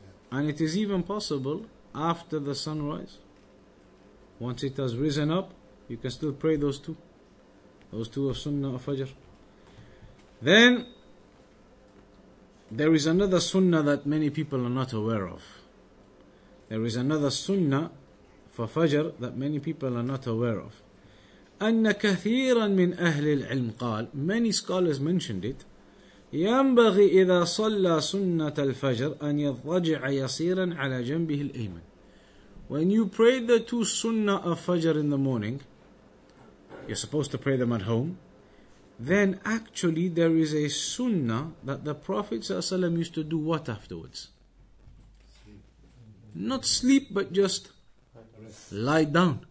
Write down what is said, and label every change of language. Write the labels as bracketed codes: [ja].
[en] And it is even possible after the sunrise, once it has risen up, you can still pray those two of sunnah of Fajr. Then there is another sunnah that many people are not aware of. There is another sunnah for Fajr that many people are not aware of. [ar] أَنَّ كَثِيرًا مِنْ أَهْلِ الْعِلْمِ قَالَ. [en] Many scholars mentioned it. [ar] ينبغي إذا صلى سنة الفجر أن يضجع يسيرا على جنبه الأيمن. [en] When you pray the two sunnah of Fajr in the morning, you're supposed to pray them at home, then actually there is a sunnah that the Prophet ﷺ used to do what afterwards? Sleep. Not sleep, but just lie down.